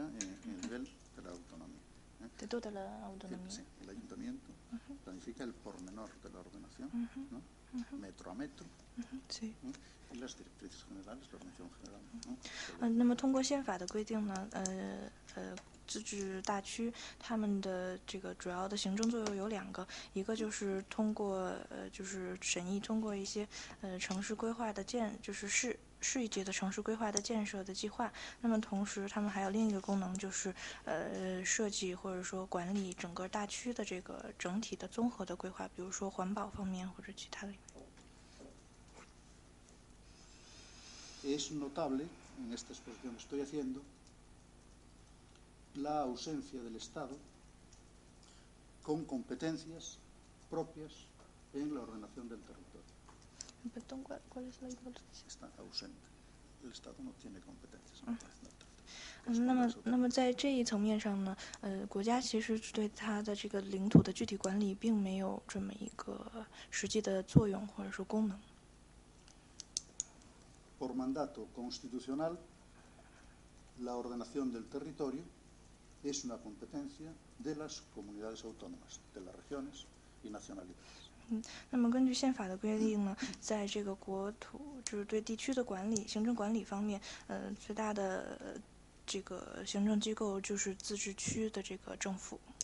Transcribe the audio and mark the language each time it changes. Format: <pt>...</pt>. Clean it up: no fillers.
<es>en el nivel de la autonomía. De toda la autonomía. Sí, el ayuntamiento planifica el pormenor de la ordenación, ¿no? Metro a metro. Sí. ¿No? Y las directrices generales, la ordenación general. ¿No?</es> <zh>那么通过宪法的规定呢，自治大区他们的这个主要的行政作用有两个，一个就是通过就是审议通过一些城市规划的建，就是市一级的城市规划的建设的计划。那么同时他们还有另一个功能，就是设计或者说管理整个大区的这个整体的综合的规划，比如说环保方面或者其他的。</zh> <es>Es notable en esta exposición que estoy haciendo. La ausencia del Estado con competencias propias en la ordenación del territorio. Perdón, ¿cuál es la importancia? Está ausente. El Estado no tiene competencias. No,</es> <zh>那么在这一层面上呢，国家其实对它的这个领土的具体管理并没有这么一个实际的作用或者说功能。</zh> <es>Por mandato constitucional, la ordenación del territorio es una competencia de las comunidades autónomas, de las regiones y nacionalidades.</es> <zh>那么根据宪法的规定呢，在这个国土就是对地区的管理、行政管理方面，最大的这个行政机构就是自治区的这个政府。</zh>